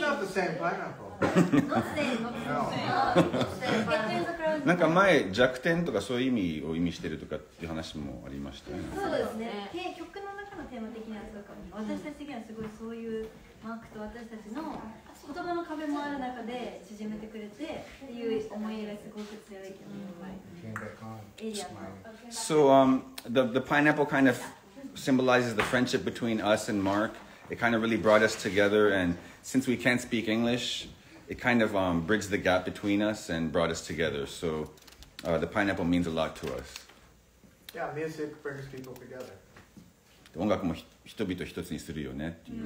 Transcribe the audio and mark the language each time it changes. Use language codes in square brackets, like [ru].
[en] That's not the same pineapple. [ja] 弱点とかそういう意味を意味してるとかっていう話もありましたね。そうですね。曲の中のテーマ的なやつとかも、私たち的にはすごいそういうマークと私たちの言葉の壁もある中で縮めてくれてっていう思いがすごく強いけど、エリアも。 [en] So, the pineapple kind of symbolizes the friendship between us and Mark. It kind of really brought us together, and since we can't speak English, it kind of bridged the gap between us and brought us together. So the pineapple means a lot to us. Yeah, music brings people together. [ja] 音楽も人々一つにするよねっていう。